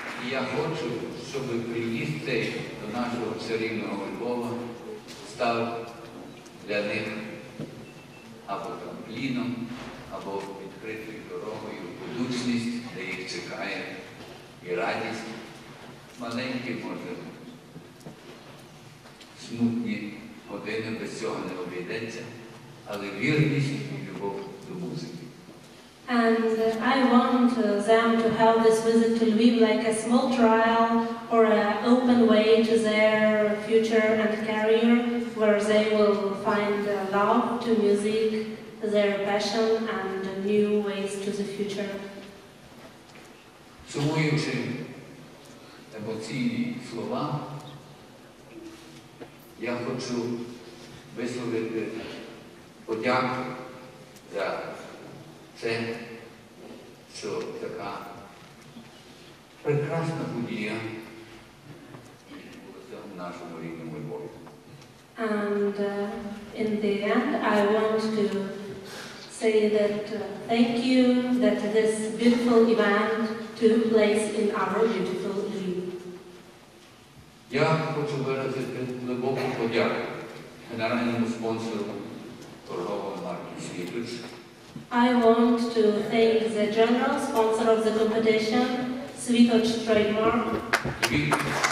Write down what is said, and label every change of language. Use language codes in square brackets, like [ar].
[uk] я хочу, щоб приїзд цей до нашого церемонійного Львова став для них або трампліном, або відкритою дорогою в будучність, де їх чекає і радість, маленькі, може, смутні години, без цього не обійдеться, але вірність і любов до музики. [en] And I want them to have this visit to Lviv like a small trial or an open way to their future and career, where they will find love to music, their passion and new ways to the future. [uk] Сумуючи емоційні слова, я хочу висловити подяку за це, що така прекрасна подія відбулася в нашому рідному Львові. [en] And in the end I want to say that thank you that this beautiful event took place in our beautiful Львів. [uk] Я хочу виразити глибоку подяку генеральному спонсору торгової марки «Світлич». [en] I want to thank the general sponsor of the competition, Svitoch Trademark.